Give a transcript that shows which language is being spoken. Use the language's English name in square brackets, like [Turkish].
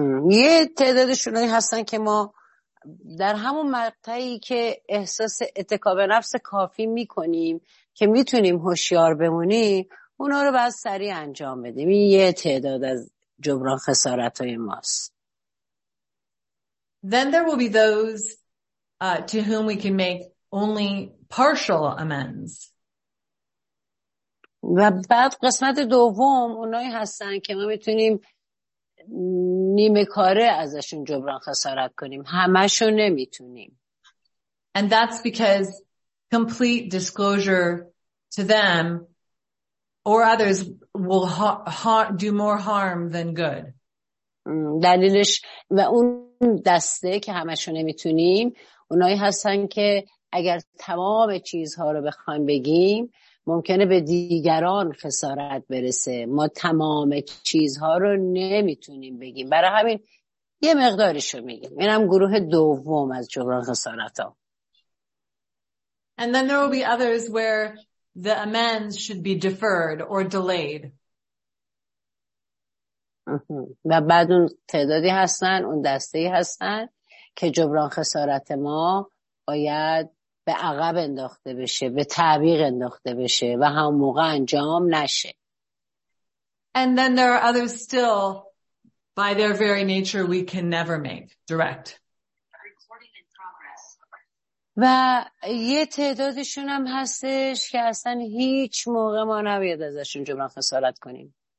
[Persian] یه تعدادشون هستن که ما در همون مقطعی که احساس اتکا به نفس کافی میکنیم که میتونیم هوشیار بمونیم اونا رو باید سریع انجام بدیم. این یه تعداد از جبران خسارت های ماست. [English] Then there will be those to whom we can make only partial amends. [Persian] و بعد قسمت دوم اونایی هستن که ما میتونیم نیمه کاره ازشون جبران خسارت کنیم، همشو نمیتونیم. [English] And that's because complete disclosure to them or others will do more harm than good. [Persian] دلیلش و اون دسته که همشو نمیتونیم اونایی هستن که اگر تمام چیزها رو بخوایم بگیم ممکنه به دیگران خسارت برسه. ما تمام چیزها رو نمیتونیم بگیم، برای همین یه مقداریشو میگیم. اینم گروه دوم از جبران خسارت ها. [English] And then there will be others where the amends should be deferred or delayed. [Persian] و بعد اون تعدادی هستن، اون دسته‌ای هستن که جبران خسارت ما باید به عقب انداخته بشه، به تعویق انداخته بشه و هم موقع انجام نشه. [English] And then there are others still by their very nature we can never make direct. [Persian] و یه تعدادشون هم هستش که اصلا هیچ موقع ما نباید ازشون جبران خسارت کنیم.